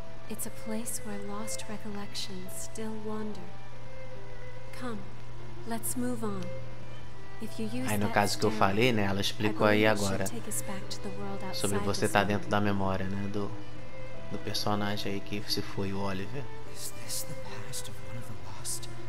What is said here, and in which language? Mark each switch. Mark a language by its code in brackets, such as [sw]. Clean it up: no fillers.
[en] It's a place where lost recollections still wander. Come, let's move on. If you use [pt] aí no caso que eu falei, né? Ela explicou aí agora sobre você estar dentro da memória, né? Do personagem aí que se foi, o Oliver. [en] Is this the past of one of the lost?